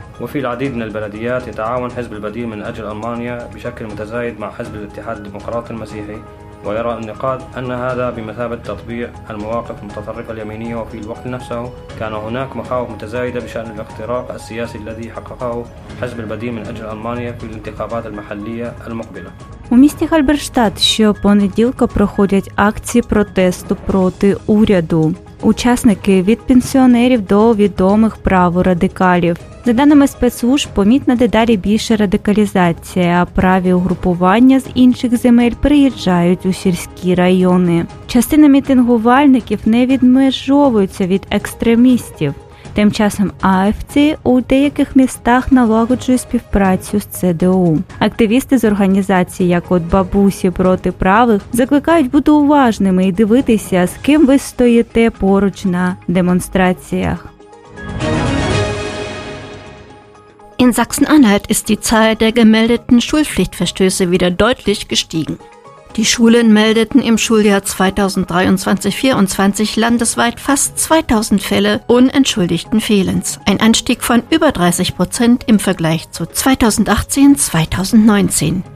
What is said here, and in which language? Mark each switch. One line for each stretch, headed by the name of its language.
Arabic: وفي العديد من البلديات يتعاون حزب البديل من أجل ألمانيا بشكل متزايد مع حزب الاتحاد الديمقراطي المسيحي، ويرى النقاد أن هذا بمثابة تطبيع المواقف المتطرفة اليمينية. وفي الوقت نفسه كان هناك مخاوف متزايدة بشأن الاختراق السياسي الذي حققه حزب البديل من أجل ألمانيا في الانتخابات المحلية المقبلة.
Ukrainian: У місті Хальберштат щопонеділка проходять акції протесту проти уряду. Учасники – від пенсіонерів до відомих праворадикалів. За даними спецслужб, помітна дедалі більше радикалізація, а праві угрупування з інших земель приїжджають у сільські райони. Частина мітингувальників не відмежовується від екстремістів. Тим часом АФЦ у деяких містах налагоджує співпрацю з ЦДУ. Активісти з організації, як от «Бабусі проти правих», закликають бути уважними і дивитися, з ким ви стоїте поруч на демонстраціях.
German: In Sachsen-Anhalt ist die Zahl der gemeldeten Schulpflichtverstöße wieder deutlich gestiegen. Die Schulen meldeten im Schuljahr 2023/24 landesweit fast 2000 Fälle unentschuldigten Fehlens, ein Anstieg von über 30% im Vergleich zu 2018/2019.